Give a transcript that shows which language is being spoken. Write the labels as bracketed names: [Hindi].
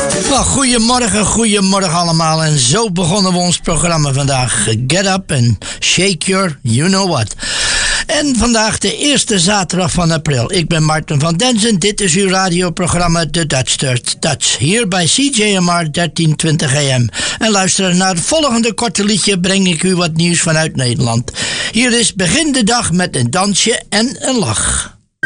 [Dutch] Goedemorgen, goedemorgen allemaal. En zo begonnen we ons programma vandaag. [English] Get up and shake your you know what. [Dutch] En vandaag de eerste zaterdag van april. Ik ben Martin van Denzen. Dit is uw radioprogramma The Dutch Dirt Touch. Hier bij CJMR 1320 AM. En luisteren naar het volgende korte liedje breng ik u wat nieuws vanuit Nederland. Hier is Begin de dag met een dansje en een lach.